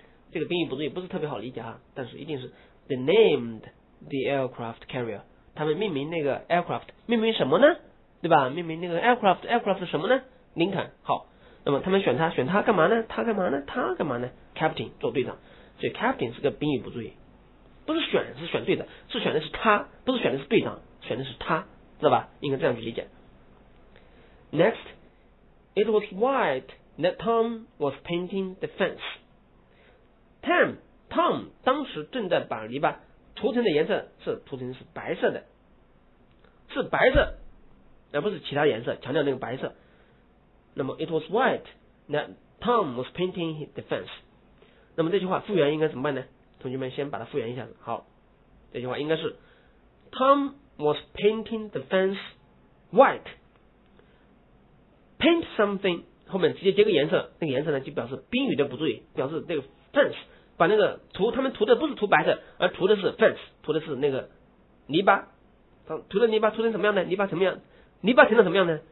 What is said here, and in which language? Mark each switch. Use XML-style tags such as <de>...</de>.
<zh>这个宾语补助语不是特别好理解哈，但是一定是</zh> <en>they named the aircraft carrier，</en> <zh>他们命名那个 aircraft， 命名什么呢？对吧？命名那个 aircraft， aircraft 是什么呢？林肯号。那么他们选他，选他干嘛呢？他干嘛呢？他干嘛呢？captain 做队长。所以 captain 是个宾语补助语，不是选，是选对的，是选的是他，不是选的是队长，选的是他，知道吧？应该这样去理解。</zh> <en>Next， it was white that Tom was painting the fence。</en> <zh>Tom 当时正在把篱笆涂成的颜色是涂成是白色的，是白色，而不是其他颜色，强调那个白色。那么</zh> <en>it was white that Tom was painting the fence。</en> <zh>那么这句话复原应该怎么办呢？同学们先把它复原一下子。好，这句话应该是</zh> <en>Tom was painting the fence white。</en> <zh>paint something 后面直接接个颜色，那个颜色呢就表示宾语的补助语，表示这个 fence， 把那个涂，他们涂的不是涂白色，而涂的是 fence， 涂的是那个泥巴，涂的泥巴涂成什么样呢？泥巴什么样？泥巴成了什么样呢？</zh>